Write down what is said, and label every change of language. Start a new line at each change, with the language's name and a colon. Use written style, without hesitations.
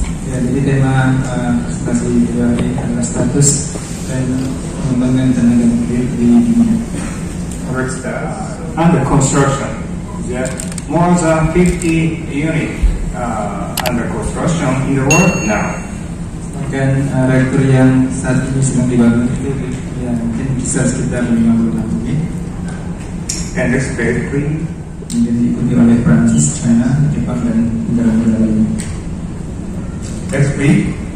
Indonesian: Jadi tema presentasi kedua ini adalah status dan pengembangan tenaga nuklir di dunia.
English: Correct status. Under construction. Yeah. More than 50 units under construction in the world now.
Indonesian: Bahkan reaktor yang saat ini sedang dibangun itu ya, mungkin bisa sekitar 56 unit.
English: And it's basically
Indonesian: menjadi ikuti oleh Perancis, China, Jepang, dan negara-negara lainnya. SP.